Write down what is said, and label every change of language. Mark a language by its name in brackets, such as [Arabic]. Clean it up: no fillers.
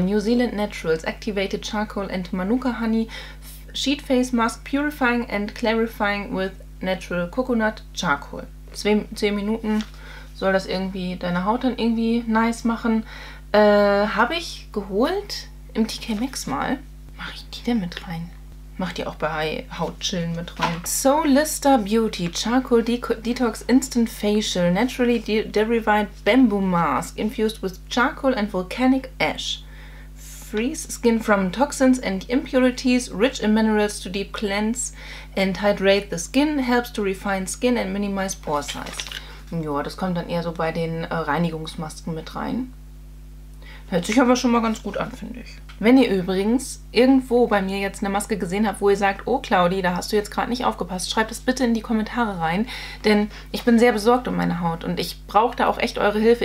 [English] New Zealand Naturals Activated Charcoal and Manuka Honey Sheet Face Mask Purifying and Clarifying with Natural Coconut Charcoal. [German] 10 Minuten soll das irgendwie deine Haut dann irgendwie nice machen. Habe ich geholt im TK Maxx mal. Mache ich die denn mit rein? Mach die auch bei Hautchillen mit rein. [English] Solista Beauty Charcoal Detox Instant Facial Naturally Derived Bamboo Mask Infused with Charcoal and Volcanic Ash. Freeze skin from toxins and impurities, rich in minerals to deep cleanse and hydrate the skin, helps to refine skin and minimize pore size. [German] Ja, das kommt dann eher so bei den Reinigungsmasken mit rein. Hört sich aber schon mal ganz gut an, finde ich. Wenn ihr übrigens irgendwo bei mir jetzt eine Maske gesehen habt, wo ihr sagt, oh Claudi, da hast du jetzt gerade nicht aufgepasst, schreibt es bitte in die Kommentare rein, denn ich bin sehr besorgt um meine Haut und ich brauche da auch echt eure Hilfe.